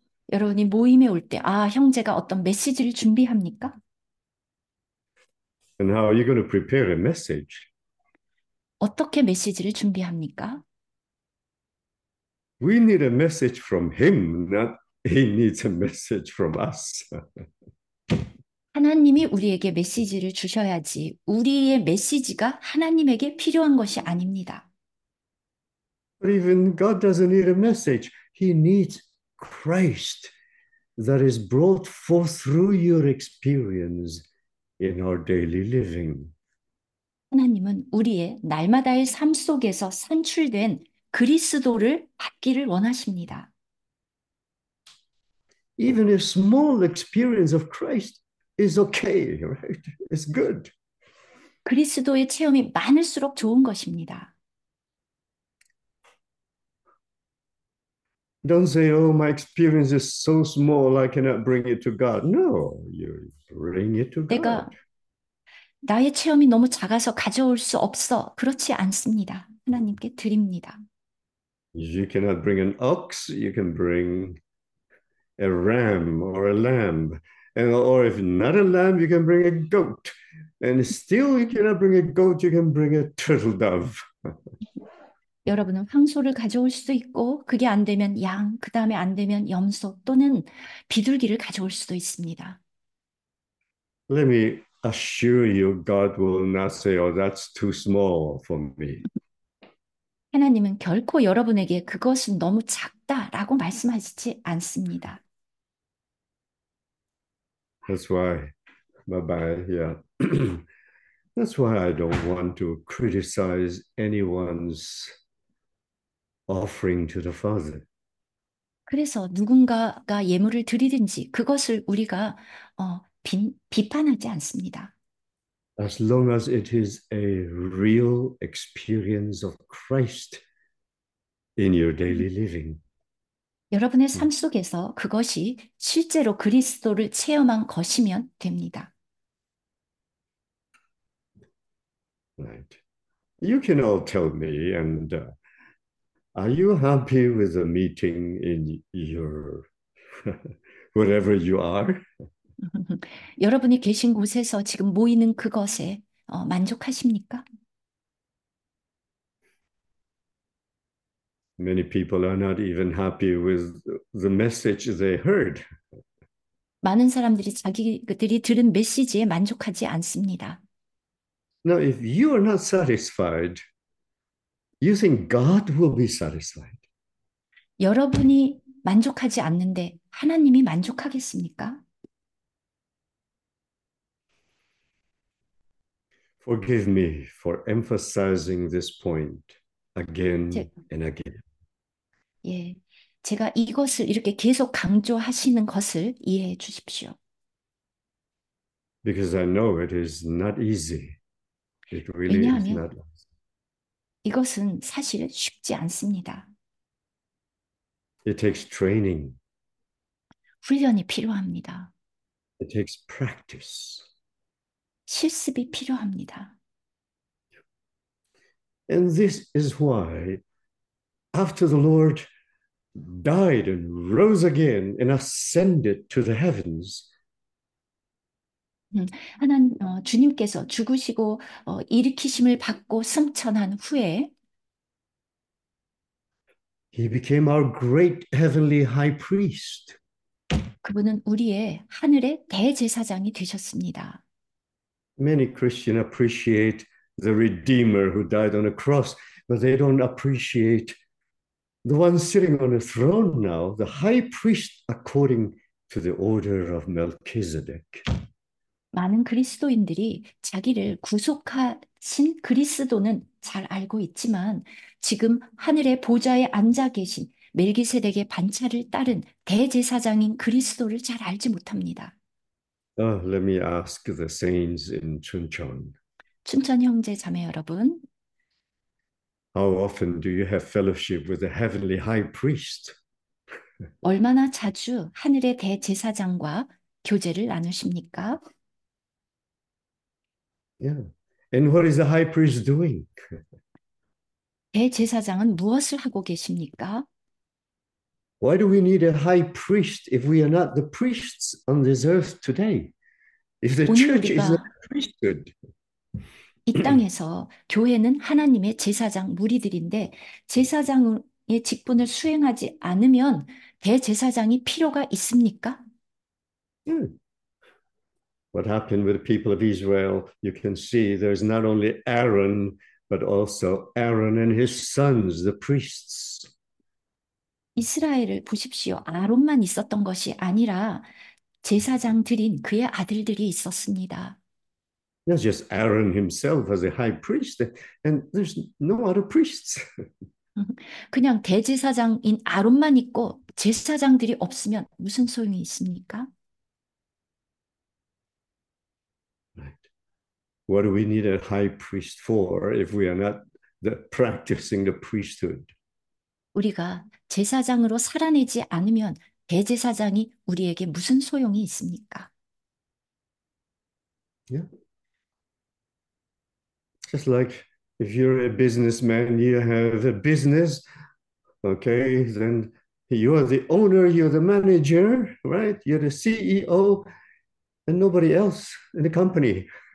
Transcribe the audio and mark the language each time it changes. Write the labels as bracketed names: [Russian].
[Korean] 여러분이 모임에 올 때, 아, 형제가 어떤 메시지를 준비합니까? [English] And how are you going to prepare a message? [Korean] 어떻게 메시지를 준비합니까? [English] We need a message from him, not he needs a message from us. [Korean] 하나님이 우리에게 메시지를 주셔야지, 우리의 메시지가 하나님에게 필요한 것이 아닙니다. [English] But even God doesn't need a message. He needs Christ that is brought forth through your experience in our daily living. [Korean] 하나님은 우리의 날마다의 삶 속에서 산출된 그리스도를 받기를 원하십니다. [English] Even a small experience of Christ is okay, right? It's good. [Korean] 그리스도의 체험이 많을수록 좋은 것입니다. [English] Don't say, oh, my experience is so small, I cannot bring it to God. No, you bring it to God. [Korean] 나의 체험이 너무 작아서 가져올 수 없어. 그렇지 않습니다. 하나님께 드립니다. [English] You cannot bring an ox, you can bring a ram or a lamb. And, or if not a lamb, you can bring a goat. And still, you cannot bring a goat, you can bring a turtle dove. [Korean] 여러분은 황소를 가져올 수도 있고, 그게 안 되면 양, 그 다음에 안 되면 염소 또는 비둘기를 가져올 수도 있습니다. [English] Let me assure you, God will not say, oh, that's too small for me. [Korean] 하나님은 결코 여러분에게 그것은 너무 작다라고 말씀하시지 않습니다. [English] That's why, bye-bye, yeah. That's why I don't want to criticize anyone's offering to the Father. [Korean] 그래서 누군가가 예물을 드리든지 그것을 우리가 비판하지 않습니다. [English] As long as it is a real experience of Christ in your daily living. [Korean] 여러분의 삶 속에서 그것이 실제로 그리스도를 체험한 것이면 됩니다. [English] Right. You can all tell me, and are you happy with a meeting in your wherever you are? [Korean] 여러분이 계신 곳에서 지금 모이는 그것에 만족하십니까? [English] Many people are not even happy with the message they heard. [Korean] 많은 사람들이 자기들이 들은 메시지에 만족하지 않습니다. [English] Now, if you are not satisfied, you think God will be satisfied? [Korean] 여러분이 만족하지 않는데 하나님이 만족하겠습니까? [English] Forgive me for emphasizing this point again and again. [Korean] 제가 이것을 이렇게 계속 강조하시는 것을 이해해 주십시오. [English] Because I know it is not easy. It really is [Korean] 왜냐하면 [English] not easy. [Korean] 이것은 사실 쉽지 않습니다. [English] It takes training. [Korean] 훈련이 필요합니다. [English] It takes practice. [Korean] 실습이 필요합니다. [English] And this is why, after the Lord died and rose again and ascended to the heavens, [Korean] 하나님, 주님께서 죽으시고 일으키심을 받고 승천한 후에 [English] He became our great heavenly high priest. [Korean] 그분은 우리의 하늘의 대제사장이 되셨습니다. [English] Many Christians appreciate the Redeemer who died on a cross, but they don't appreciate the one sitting on a throne now, the high priest according to the order of Melchizedek. [Korean] 많은 그리스도인들이 자기를 구속하신 그리스도는 잘 알고 있지만 지금 하늘의 보좌에 앉아 계신 멜기세덱의 반차를 따른 대제사장인 그리스도를 잘 알지 못합니다. [English] Let me ask the saints in Chuncheon. [Korean] 춘천 형제 자매 여러분, [English] How often do you have fellowship with the heavenly high priest? [Korean] 얼마나 자주 하늘의 대제사장과 교제를 나누십니까? [English] And what is the high priest doing? [Korean] 대제사장은 무엇을 하고 계십니까? [English] Why do we need a high priest if we are not the priests on this earth today? If the [Korean] 오늘 [English] church is [Korean] 우리가 이 땅에서 교회는 하나님의 제사장 무리들인데 제사장의 직분을 수행하지 않으면 대제사장이 필요가 있습니까? [English] What happened with the people of Israel? You can see there's not only Aaron, but also Aaron and his sons, the priests. [Korean] 이스라엘을 보십시오. 아론만 있었던 것이 아니라 제사장들인 그의 아들들이 있었습니다. [English] Not just Aaron himself as a high priest, and there's no other priests. [Korean] 그냥 대제사장인 아론만 있고 제사장들이 없으면 무슨 소용이 있습니까? [English] What do we need a high priest for if we are not the practicing the priesthood? [Korean] 우리가 제사장으로 살아내지 않으면 대제사장이 우리에게 무슨 소용이 있습니까? [English] Just like if you're a businessman, you have a business, okay? Then you are the owner, you're the manager, right? You're the CEO, and nobody else in the company.